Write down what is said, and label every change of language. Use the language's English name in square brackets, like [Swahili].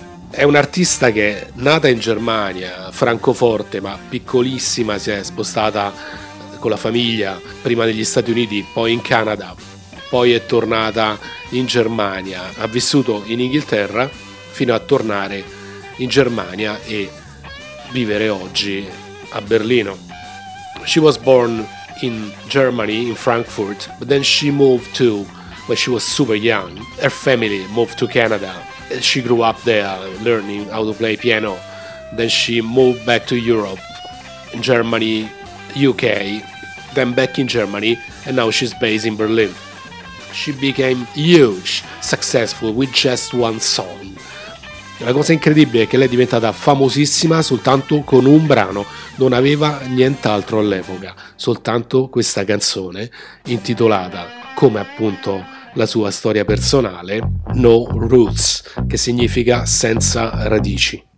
[Italian] È un'artista che è nata in Germania, Francoforte, ma piccolissima si è spostata con la famiglia prima negli Stati Uniti, poi in Canada, poi è tornata in Germania, ha vissuto in Inghilterra fino a tornare in Germania e vivere oggi a Berlino. [English] She was born in Germany, in Frankfurt, but then she moved to, when she was super young, her family moved to Canada. She grew up there, learning how to play piano. Then she moved back to Europe, in Germany, UK, then back in Germany, and now she's based in Berlin. She became huge, successful, with just one song. [Italian] La cosa incredibile è che lei è diventata famosissima soltanto con un brano, non aveva nient'altro all'epoca, soltanto questa canzone intitolata, come appunto la sua storia personale, No Roots, che significa senza radici.